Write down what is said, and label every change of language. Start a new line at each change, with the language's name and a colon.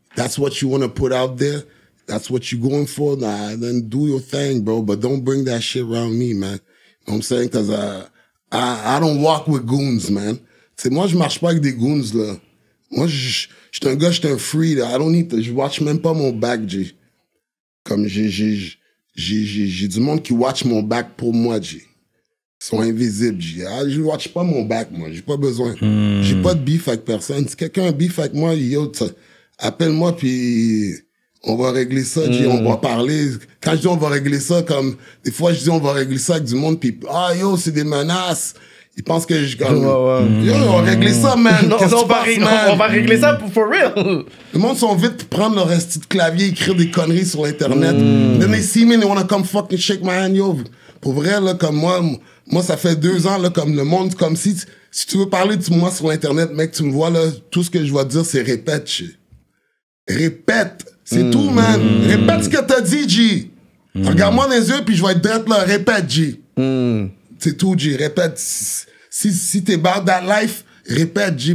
English: That's what you want to put out there. That's what you're going for. Nah, then do your thing, bro. But don't bring that shit around me, man. You know what I'm saying? Because I don't walk with goons, man.
French: T'sais, moi, je marche pas avec des goons, là. Moi, je suis un gars, je suis un free, là.
English: I don't need to...
French: Je watch même pas mon back, j'ai... Comme j'ai du monde qui watch mon back pour moi, j'ai. Ils sont invisibles, j'ai. Je watch pas mon back, moi. J'ai pas besoin. J'ai pas de beef avec personne. Si quelqu'un a beef avec moi, yo, appelle-moi, puis on va régler ça, j'ai. On va parler. Quand je dis on va régler ça, comme, des fois, je dis on va régler ça avec du monde, puis ah, yo, c'est des menaces. Ils pensent que je, comme, yo, on va régler ça, man. On va régler ça pour
English: for real.
French: Le monde sont vite pour prendre leur esti de clavier, écrire des conneries sur Internet.
English: Then they see me, they wanna come fucking shake my hand, yo.
French: Pour vrai, là, comme moi, ça fait 2 ans, là, comme le monde, comme si tu veux parler de moi sur Internet, mec, tu me vois, là, tout ce que je vais dire, c'est répète, chier. Répète, c'est tout, man. Répète ce que t'as dit, G. Regarde-moi dans les yeux, puis je vais être drette, là. Répète, G. C'est tout, G. Répète. Si t'es bad that life, répète, G.